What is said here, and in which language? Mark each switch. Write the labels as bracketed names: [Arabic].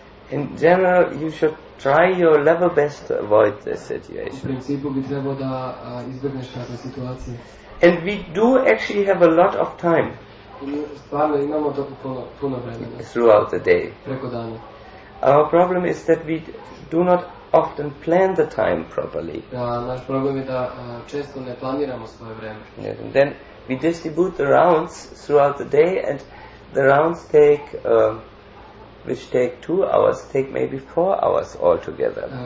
[English] In general, you should try your level best to avoid this situation. [Serbian] U principu bi trebao da izbjegneš takve situacije. [English] And we do actually have a lot of time. [Serbian] Stvarno imamo toliko puno vremena. [English] Throughout the day. [Serbian] Preko dana. [English] Our problem is that we do not often plan the time properly. [Serbian] Naš problem je da često ne planiramo svoje vreme. [English] Yes, and then we distribute the rounds throughout the day, and the rounds take, which take 2 hours, take maybe 4 hours altogether.